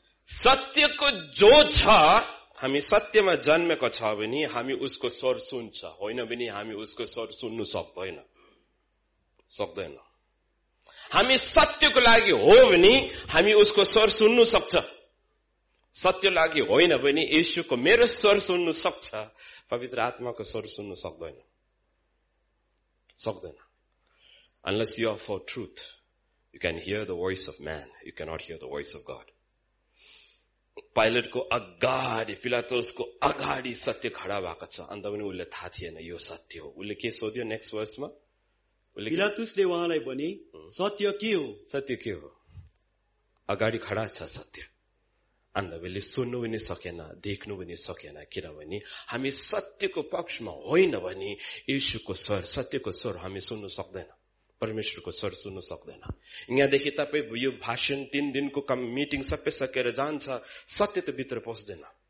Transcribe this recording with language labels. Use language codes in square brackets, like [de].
[ne] सत्यको जो छ, हामी सत्यमा जन्मेको छ भने हामी उसको स्वर सुन्छ, होइन भने हामी उसको स्वर सुन्नु सक्दैन. हामी सत्यको लागि हो भने हामी उसको स्वर सुन्नु सक्छ. सत्य लागि होइन भने येशूको मेरो स्वर सुन्नु सक्छ, पवित्र आत्माको स्वर सुन्नु सक्दैन. [en] Unless you are for truth, you can hear the voice of man, you cannot hear the voice of God. [ne] पाइलटको अगाडि, पिलातोसको अगाडि सत्य खडा भएको छ. अन्त पनि उसले थाहा थिएन यो सत्य हो. उसले के सोध्यो नेक्स्ट वर्समा? पिलातुसले उहाँलाई भने, सत्य के हो? सत्य के हो? अगाडि खडा छ सत्य. अन्त उसले सुन्नु पनि सकेन, देख्नु पनि सकेन. किनभने हामी सत्यको पक्षमा होइन भने येशूको स्वर, सत्यको स्वर हामी सुन्न सक्दैन, परमेश्वरको स्वर सुन्न सक्दैन. यहाँदेखि तपाईँ यो भाषण, तीन दिनको काम, मिटिङ सबै सकेर जान्छ, सत्य त भित्र पस्दैन.